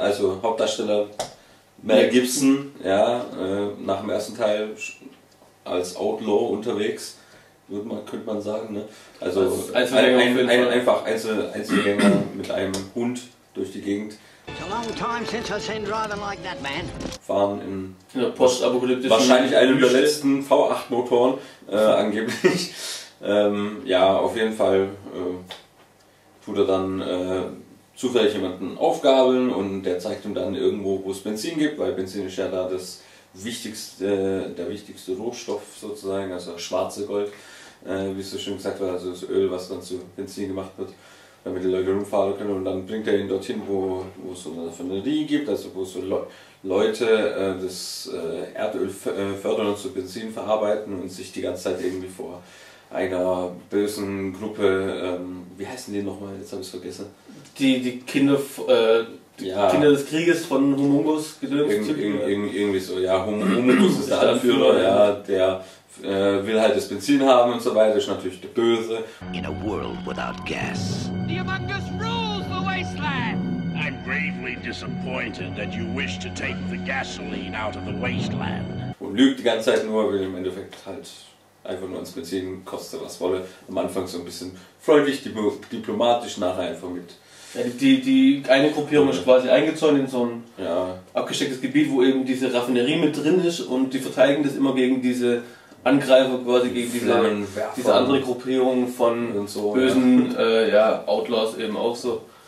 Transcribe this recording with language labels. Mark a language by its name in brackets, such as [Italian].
[German] Also Hauptdarsteller Mel Gibson, ja, nach dem ersten Teil als Outlaw unterwegs. Könnte man sagen, ne? Also Einzelgänger mit einem Hund durch die Gegend. [English] It's a long time since I've seen driving like that, man. [German] Fahren in der postapokalyptischen wahrscheinlich einem der letzten V8 Motoren angeblich. Ja, auf jeden Fall tut er dann zufällig jemanden Aufgaben und der zeigt ihm dann irgendwo, wo es Benzin gibt, weil Benzin ist ja da das wichtigste, der wichtigste Rohstoff sozusagen, also schwarze Gold. Wie es so schön gesagt war, also das Öl, was dann zu Benzin gemacht wird, damit die Leute rumfahren können. Und dann bringt er ihn dorthin, wo es so eine Raffinerie gibt, also wo so Leute das Erdöl fördern und zu Benzin verarbeiten und sich die ganze Zeit irgendwie vor einer bösen Gruppe, wie heißen die nochmal, jetzt habe ich es vergessen. Kinder des Krieges von Humongous gedöhnt. Irgendwie so, ja, Humongous ist der Anführer, ja, der will halt das Benzin haben und so weiter, ist natürlich der Böse. [English] In a world without gas. The Among Us rules the wasteland. I'm gravely disappointed that you wish to take the gasoline out of the wasteland. [German] Und lügt die ganze Zeit nur, will im Endeffekt halt einfach nur ins Benzin, koste was wolle. Am Anfang so ein bisschen freundlich, diplomatisch, nachher einfach mit. Ja, die eine Gruppierung ist quasi eingezäunt in so ein abgestecktes Gebiet, wo eben diese Raffinerie mit drin ist und die verteidigen das immer gegen diese Angreifer quasi, gegen diese andere Gruppierung von und so, bösen Outlaws eben auch so.